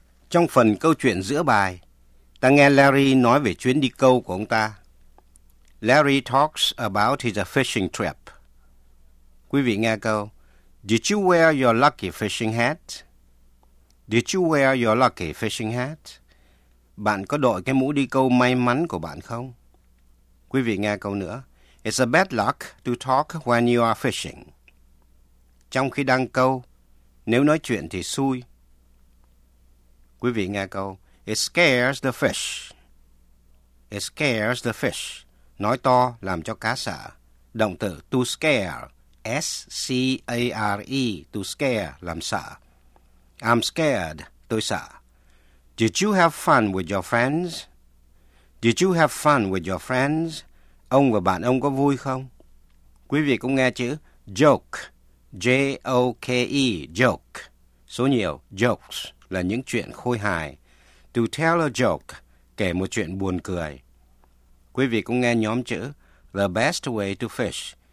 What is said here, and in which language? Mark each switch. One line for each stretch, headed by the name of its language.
Vietnamese: Trong phần câu chuyện giữa bài, ta nghe Larry nói về chuyến đi câu của ông ta.
English: Larry talks about his fishing trip.
Vietnamese: Quý vị nghe câu,
English: did you wear your lucky fishing hat? Did you wear your lucky fishing hat?
Vietnamese: Bạn có đội cái mũ đi câu may mắn của bạn không? Quý vị nghe câu nữa,
English: it's a bad luck to talk when you are fishing.
Vietnamese: Trong khi đang câu, nếu nói chuyện thì xui. Quý vị nghe câu,
English: it scares the fish. It scares the fish.
Vietnamese: Nói to làm cho cá sợ. Động từ
English: to scare. S-C-A-R-E, to scare,
Vietnamese: làm sợ.
English: I'm scared,
Vietnamese: tôi sợ.
English: Did you have fun with your friends? Did you have fun with your friends?
Vietnamese: Ông và bạn ông có vui không? Quý vị cũng nghe chữ joke, J-O-K-E, joke. Số nhiều, jokes, là những chuyện khôi hài.
English: To tell a joke,
Vietnamese: kể một chuyện buồn cười. Quý vị cũng nghe nhóm chữ
English: the best way to fish.